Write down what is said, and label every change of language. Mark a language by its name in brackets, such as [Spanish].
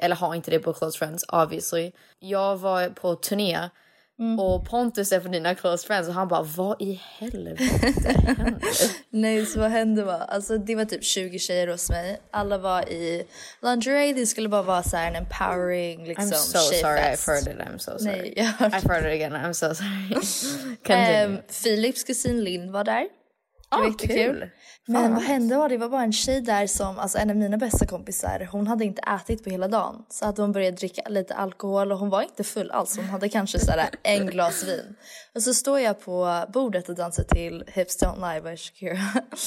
[Swedish] Eller har inte dig på Close Friends, obviously. Jag var på turné. Mm. Och Pontus är från dina close friends. Och han bara, vad i helvete händer? Nej, så vad hände va? Alltså det var typ 20 tjejer hos mig. Alla var i lingerie. Det skulle bara vara så här en empowering liksom, [English] I'm so sorry, I've heard it, I'm so sorry. [Swedish] Nej, jag [English] har... I've heard it again, I'm so sorry. [Swedish] Philips kusin Lind var där. Ja, oh, kul. Men vad hände var, det var bara en tjej där som, alltså en av mina bästa kompisar, hon hade inte ätit på hela dagen. Så att hon började dricka lite alkohol och hon var inte full alls. Hon hade kanske sådär en glas vin. Och så står jag på bordet och dansar till Hips Don't Lie by Shakira.